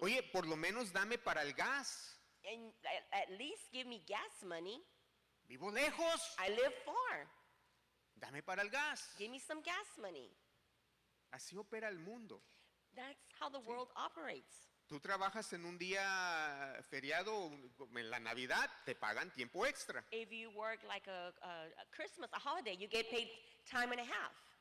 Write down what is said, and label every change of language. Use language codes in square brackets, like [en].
[es] Oye, por lo menos dame para el gas. [en] And at least give me gas money. [es] Vivo lejos. [en] I live far. [es] Dame para el gas. [en] Give me some gas money. [es] Así opera el mundo. [en] That's how the world operates. [es] Tú trabajas en un día feriado, en la Navidad, te pagan tiempo extra. [en] If you work like a Christmas, a holiday, you get paid time and a half.